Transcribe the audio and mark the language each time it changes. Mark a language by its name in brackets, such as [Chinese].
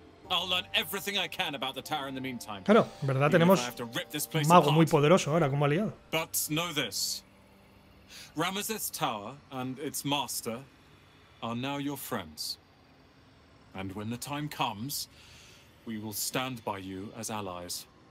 [English] I'll learn everything I can about the tower in the meantime. [Spanish] Claro, en verdad tenemos un mago muy poderoso ahora como aliado. [English] But know this. Ramazeth's tower and its master are now your friends. And when the time comes, we will stand by you as allies.